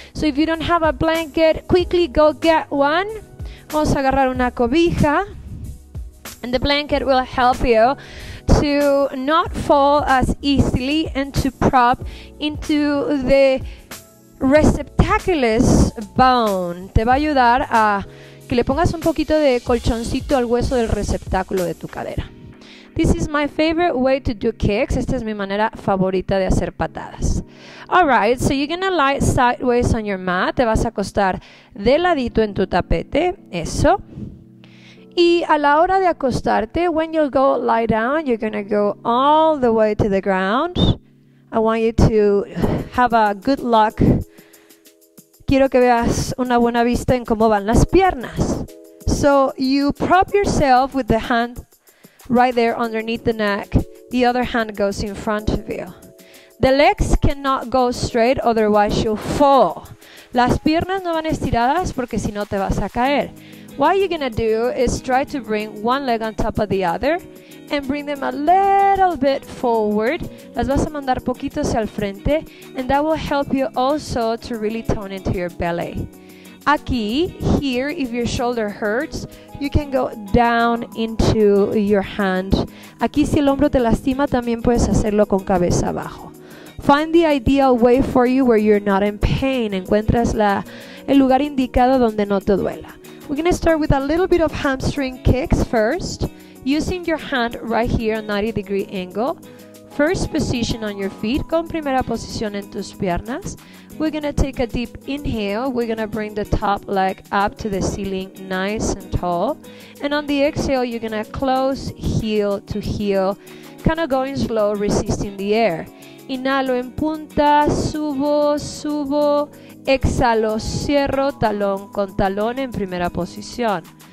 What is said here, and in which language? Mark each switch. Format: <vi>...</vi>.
<en>So, if you don't have a blanket, quickly go get one.</en> <es>Vamos a agarrar una cobija.</es> <en>And the blanket will help you to not fall as easily and to prop into the receptaculous bone.</en> <es>Te va a ayudar a que le pongas un poquito de colchoncito al hueso del receptáculo de tu cadera.</es> <en>This is my favorite way to do kicks.</en> <es>Esta es mi manera favorita de hacer patadas.</es> <en>All right, so you're gonna lie sideways on your mat.</en> <es>Te vas a acostar de ladito en tu tapete. Eso. Y a la hora de acostarte,</es> <en>when you go lie down, you're going to go all the way to the ground. I want you to have a good luck.</en> <es>Quiero que veas una buena vista en cómo van las piernas.</es> <en>So you prop yourself with the hand right there underneath the neck. The other hand goes in front of you. The legs cannot go straight, otherwise you'll fall.</en> <es>Las piernas no van estiradas porque si no te vas a caer.</es> <en>What you're gonna do is try to bring one leg on top of the other and bring them a little bit forward.</en> <es>Las vas a mandar poquito hacia el frente,</es> <en>and that will help you also to really tone into your belly. Aquí, here, if your shoulder hurts, you can go down into your hand.</en> <es>Aquí, si el hombro te lastima, también puedes hacerlo con cabeza abajo.</es> <en>Find the ideal way for you where you're not in pain.</en> <es>Encuentras el lugar indicado donde no te duela.</es> <en>We're going to start with a little bit of hamstring kicks first, using your hand right here, a 90 degree angle. First position on your feet,</en> <es>con primera posición en tus piernas.</es> <en>We're going to take a deep inhale. We're going to bring the top leg up to the ceiling, nice and tall. And on the exhale, you're going to close heel to heel, kind of going slow, resisting the air.</en> <es>Inhalo en punta, subo, subo, exhalo, cierro, talón con talón en primera posición.</es>